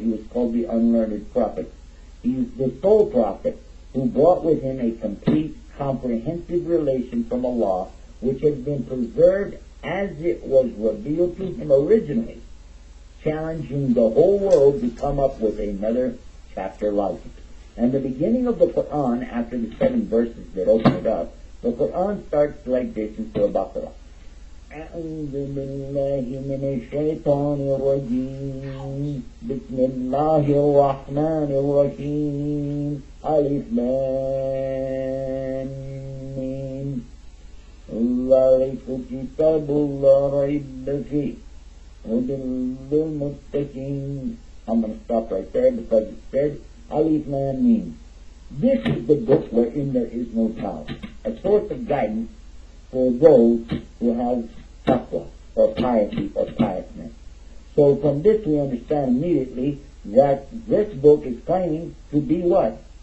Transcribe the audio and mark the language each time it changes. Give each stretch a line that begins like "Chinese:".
English: He was called the unlearned prophet. He's the sole prophet who brought with him a complete comprehensive relation from Allah, which has been preserved as it was revealed to him originally, challenging the whole world to come up with another chapter like it. And the beginning of the Quran, after the seven verses that open it up, the Quran starts like this in Surah Baqarah.
Arabic: أعوذ بالله من الشيطان الرجيم. بسم الله الرحمن الرحيم. ألف لام ميم. ذلك كتاب لا ريب فيه هدى للمتقين.
English: I'm going to stop right there because it said Alif Lam Mim. This is the book wherein there is no sound. A source of guidance for those who have taqwa, or piety, or piousness. So from this we understand immediately that this book is claiming to be what?